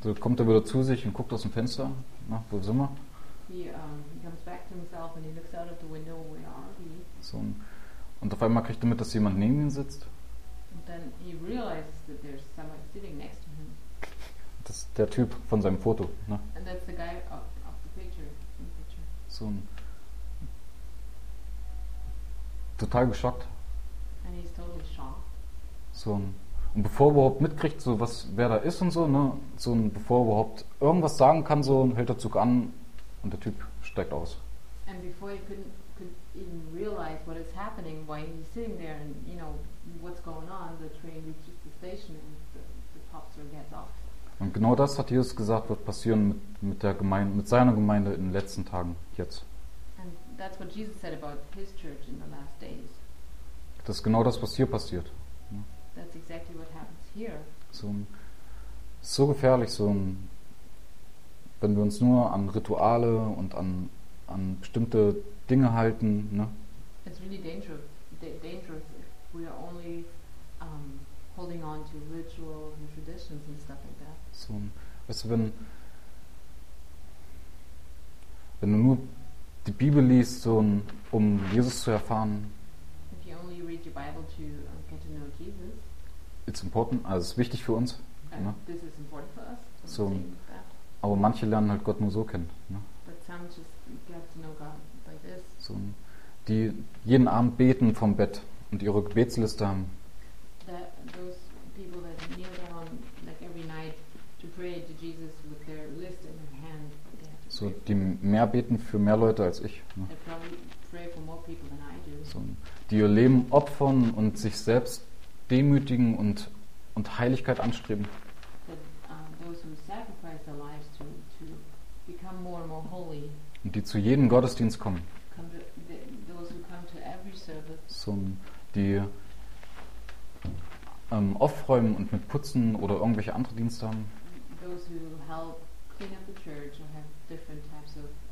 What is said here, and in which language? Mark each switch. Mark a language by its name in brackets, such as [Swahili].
[German] So kommt er wieder zu sich und guckt aus dem Fenster. Na, wo sind wir? [English] He comes back to himself and he looks out of the window. Where are we? [German] So, und auf einmal kriegt er mit, dass jemand neben ihm sitzt. [English] And then he realizes that there's somebody sitting next to him. [German] Das ist der Typ von seinem Foto. Ne? [English] And that's the guy of the picture. [German] So. Total geschockt. [English] And he's totally shocked. [German] So. Und bevor er überhaupt mitkriegt, so was, wer da ist und so, ne? So, und bevor er überhaupt irgendwas sagen kann, so hält der Zug an und der Typ steigt aus. [English] And before he could even realize what is happening, why he's sitting there and you know what's going on, the train reaches the station and the pastor gets off. [German] Und genau das hat Jesus gesagt, wird passieren mit der Gemeinde, mit seiner Gemeinde in den letzten Tagen, jetzt. [English] And that's what Jesus said about his church in the last days. [German] Das ist genau das, was hier passiert. [English] That's exactly what happens here. [German] So gefährlich, so ein, wenn wir uns nur an Rituale und an bestimmte Dinge halten, ne? [English] It's really dangerous if we are only holding on to rituals and traditions and stuff like that. [German] So, weißt du, wenn du nur die Bibel liest, so, um Jesus zu erfahren, [English] if you only read your Bible to get to know Jesus, it's important, [German] also es ist wichtig für uns. Ne? [English] This is important for us. [German] So, aber manche lernen halt Gott nur so kennen. Ne? [English] But some just get to know God like this. [German] So, die jeden Abend beten vom Bett und ihre Gebetsliste haben. [English] Those people that kneel down like every night to pray to Jesus with their list in their hand. [German] So, die mehr beten für mehr Leute als ich. Ne? [English] They probably pray for more people than I do. [German] So, die ihr Leben opfern und sich selbst demütigen und Heiligkeit anstreben. [English] Those who sacrifice their lives to become more and more holy. [German] Und die zu jedem Gottesdienst kommen. [English] Those who come to every service. [German] So, die aufräumen und mit Putzen oder irgendwelche andere Dienste haben. [English] Those who help clean up the church or have different types of